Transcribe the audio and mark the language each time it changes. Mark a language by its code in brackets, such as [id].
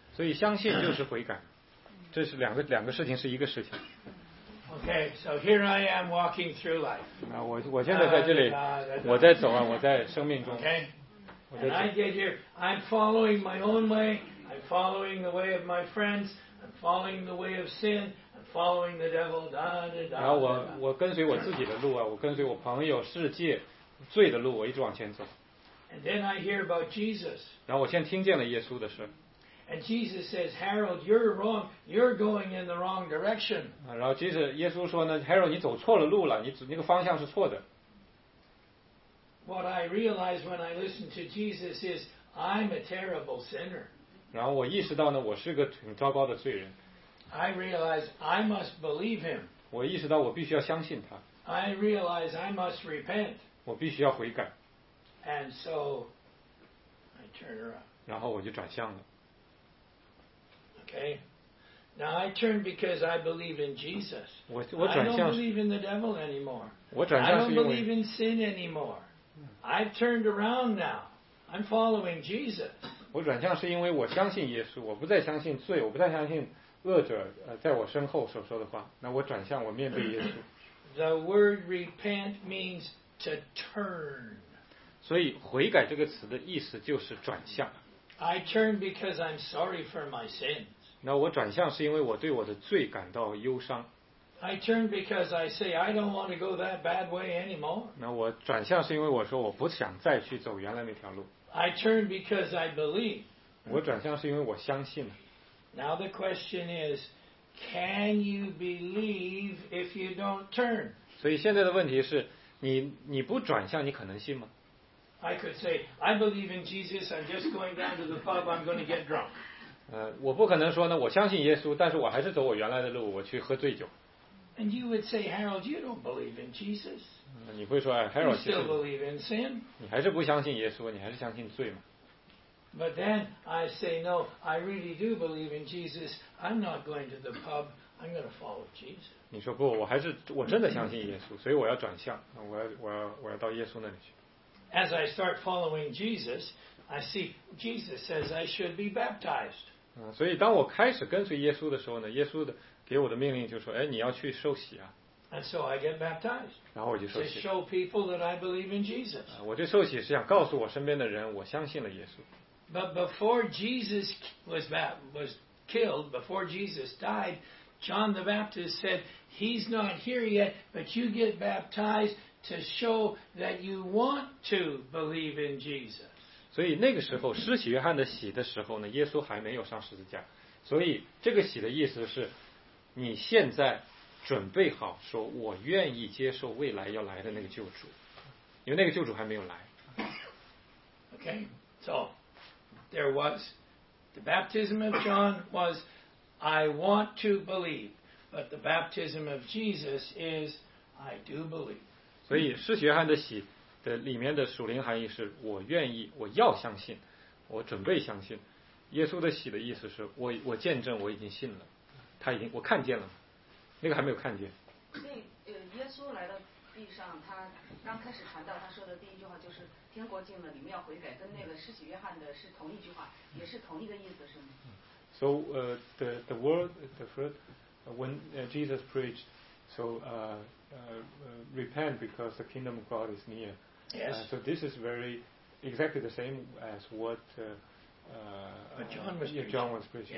[zh] 所以相信就是悔改，这是两个事情是一个事情。 [en] Okay, so here I am walking through life. [zh] 我现在在这里，我在走啊，我在生命中。 [en] Okay. And I get here, I'm following my own way, I'm following the way of my friends, I'm following the way of sin, I'm following the devil, da da da. [zh] 然后我跟随我自己的路啊，我跟随我朋友、世界、罪的路，我一直往前走。 [en] And then I hear about Jesus. [zh] 然后我先听见了耶稣的事。 [en] And Jesus says, Harold, you're wrong. You're going in the wrong direction. [zh] 然后即使耶稣说呢 ，Harold， 你走错了路了，你走那个方向是错的。 [en] What I realize when I listen to Jesus is I'm a terrible sinner. [zh] 然后我意识到呢，我是个挺糟糕的罪人。 [en] I realize I must believe him. [zh] 我意识到我必须要相信他。 [en] I realize I must repent. [zh] 我必须要悔改。 [en] And so I turn around. [zh] 然后我就转向了。 [en] Okay. Now I turn because I believe in Jesus. [zh] 我转向 [en] I don't believe in the devil anymore. [zh] 我转向是因为 [en] I don't believe in sin anymore. I've turned around now. I'm following Jesus. [zh] 我转向是因为我相信耶稣，我不再相信罪，我不再相信恶者在我身后所说的话。那我转向，我面对耶稣。 [en] The word repent means to turn. [zh] 所以悔改这个词的意思就是转向。 [en] I turn because I'm sorry for my sins. [zh] 那我转向是因为我对我的罪感到忧伤。 [en] I turn because I say I don't want to go that bad way anymore. [zh] 那我转向是因为我说我不想再去走原来那条路。 [en] I turn because I believe. [zh] 我转向是因为我相信了。 [en] Now the question is, can you believe if you don't turn? [zh] 所以现在的问题是，你不转向，你可能信吗？ [en] I could say I believe in Jesus. I'm just going down to the pub. I'm going to get drunk. [zh] 我不可能说呢，我相信耶稣，但是我还是走我原来的路，我去喝醉酒。 [en] And you would say, Harold, you don't believe in Jesus. [zh] 你会说，哎，Harold，其实 [en] you still believe in sin. [zh] 你还是不相信耶稣，你还是相信罪嘛。 [en] But then I say, no, I really do believe in Jesus. I'm not going to the pub. I'm going to follow Jesus. [zh] 你说不，我还是我真的相信耶稣，所以我要转向，我要到耶稣那里去。 [en] As I start following Jesus, I see Jesus says I should be baptized. [zh] 所以当我开始跟随耶稣的时候呢，耶稣的给我的命令就说，哎，你要去受洗啊。 [en] And so I get baptized. [zh] 然后我就受洗。 [en] To show people that I believe in Jesus. [zh] 我这受洗是想告诉我身边的人，我相信了耶稣。 [en] But before Jesus was killed, before Jesus died, John the Baptist said, "He's not here yet, but you get baptized to show that you want to believe in Jesus." [zh] 所以那个时候施洗约翰的洗的时候呢，耶稣还没有上十字架，所以这个洗的意思是，你现在准备好说我愿意接受未来要来的那个救主，因为那个救主还没有来。 [en] Okay, so. There was the baptism of John was I want to believe, but the baptism of Jesus is I do believe. [zh] 所以施洗约翰的洗的里面的属灵含义是我愿意，我要相信，我准备相信。耶稣的洗的意思是我见证我已经信了，他已经我看见了，那个还没有看见。所以耶稣来到地上，他刚开始传道，他说的第一句话就是。天国近了，你们要悔改，跟那个施洗约翰的是同一句话，也是同一个意思，是吗 [en] ？So the word the first when Jesus preached, so repent because the kingdom of God is near. Yes. So this is very exactly the same as what John was preaching. John was preaching.